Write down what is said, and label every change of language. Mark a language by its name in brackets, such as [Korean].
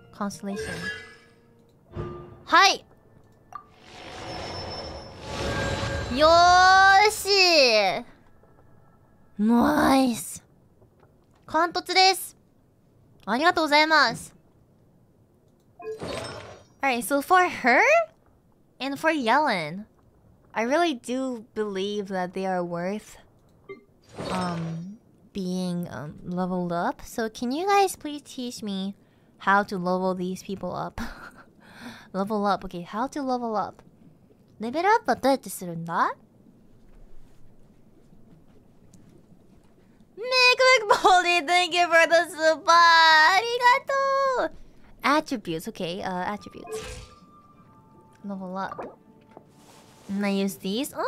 [Japanese] コンスレーション。はい。よーし。ナイス。貫突です。ありがとうございます。 [English] Alright, so for her and for Yellen, I really do believe that they are worth being leveled up. So can you guys please teach me how to level these people up? Level up. Okay, how to level up? [Japanese] レベルアップはどうやってするんだ？メイクメイクボーディー、 [English] Thank you for the super! [Japanese] ありがとう！ [English] Attributes, okay, attributes. Level up. And I use these?